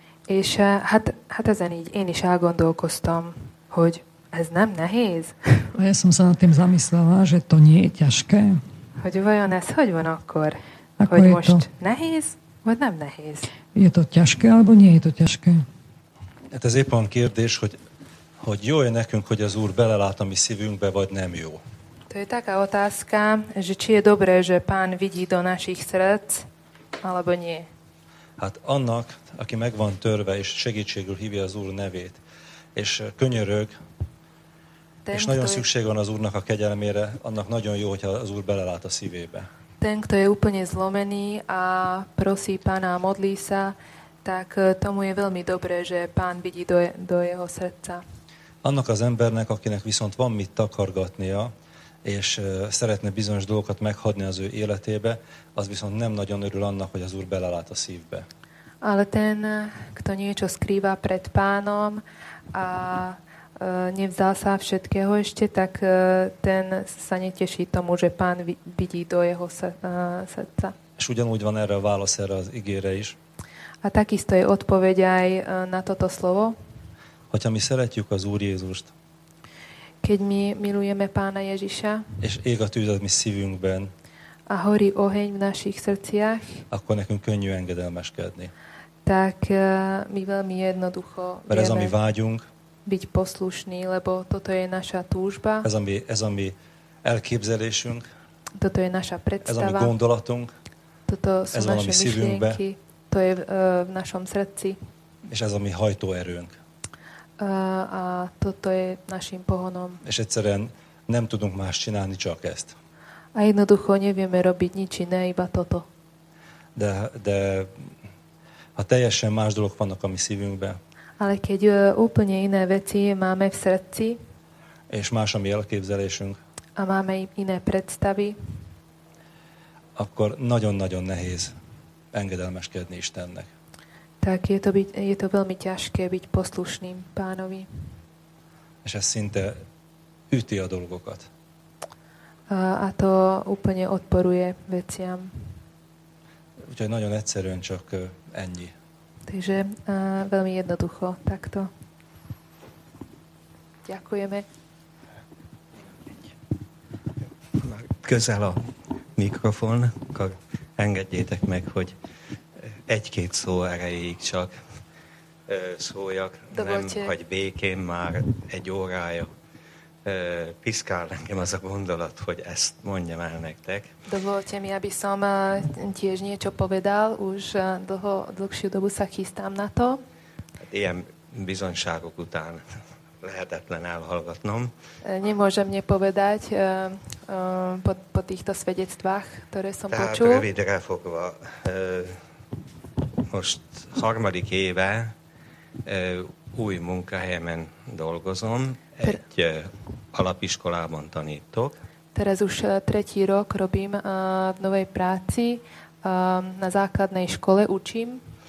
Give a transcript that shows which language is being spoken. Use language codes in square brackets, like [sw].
[hu] És hát ezen így én is elgondolkoztam, hogy ez nem nehéz. [sk] A ja som sa nad tým zamyslela, že to nie je ťažké. [hu] Hogy vajon ez hogy van akkor? [sk] Ako [hu] hogy most to? Nehéz, vagy nem nehéz? [sk] Je to ťažké, alebo nie je to ťažké? [hu] Hát ez éppen kérdés, hogy jó-e nekünk, hogy az Úr belelát a mi szívünkbe, vagy nem jó? [sk] To je taká otázka, že či je dobré, že Pán vidí do našich srdc, alebo nie? [hu] Hát annak, aki meg van törve, és segítségül hívja az Úr nevét, és könyörög, és nagyon szükség van az Úrnak a kegyelmére, annak nagyon jó, hogyha az Úr belelát a szívébe. [sk] Ten, kto je úplne zlomený a prosí Pána a modlí sa, tak tomu je veľmi dobré, že Pán vidí do jeho srdca. [hu] Annak az embernek, akinek viszont van mit takargatnia, és szeretne bizonyos dolgokat meghagyni az ő életébe, az viszont nem nagyon örül annak, hogy az Úr belelát a szívbe. [sk] Ale ten, kto niečo skrýva pred Pánom a nevzal sa všetkého ešte, tak ten sa neteší tomu, že Pán vidí do jeho srdca. [hu] És ugyanúgy van erre a válasz, erre az igére is. [sk] A takisto je odpoveď aj na toto slovo. [hu] Hogyha mi szeretjük az Úr Jézust, [sk] keď mi milujeme Pána Ježiša, [hu] és ég a tűz a mi szívünkben, [sk] a horí oheň v našich srdciach, [hu] akkor nekünk könnyű engedelmeskedni. [sk] Tak mi veľmi jednoducho [hu] vieme, ez a mi vágyunk, [sk] byť poslušný, lebo toto je naša túžba. [hu] Ez a mi elképzelésünk. [sk] Toto je naša predstava. [hu] Ez a mi gondolatunk. [sk] Toto sú ez naše myšlienky. Szívünkbe. To je v našom srdci. [hu] És ez a mi hajtóerőnk. [sk] A toto je našim pohonom. [hu] És egyszerűen nem tudunk más csinálni, csak ezt. [sk] A jednoducho nevieme robiť nič iné, iba toto. [hu] De ha teljesen más dolog vannak a mi szívünkbe, [sk] ale keď úplne iné veci máme v srdci, [hu] és más a mi elképzelésünk, [sk] a máme iné predstavy, [hu] akkor nagyon-nagyon nehéz engedelmeskedni Istennek. [sk] Tak je to veľmi ťažké byť poslušným Pánovi. [hu] És ez szinte üti a dolgokat. [sk] A to úplne odporuje veciam. [hu] Úgyhogy nagyon egyszerűen csak ennyi. [sk] Takže veľmi jednoducho takto. Ďakujeme. [hu] Közel a mikrofon, akkor engedjétek meg, hogy egy-két szó erejéig csak szóljak. [sk] Dovolte. [hu] Nem hagy békén már egy órája. Piszkál nekem az a gondolat, hogy ezt mondjam el nektek. [sk] Dovolte mi, aby som tiež niečo povedal. Už dlhšiu dobu sa chystám na to. [hu] Ilyen bizonyságok után lehetetlen elhallgatnom. [sk] Nemôžem nepovedať po týchto svedectvách, ktoré som [hu] tehát [sk] počul. [hu] Tehát rövidre fogva, most harmadik éve új munkahelyemen dolgozom. Egy alapiskolában tanítok. [sk] Teraz už tretí rok robím v novej práci, na základnej škole učím.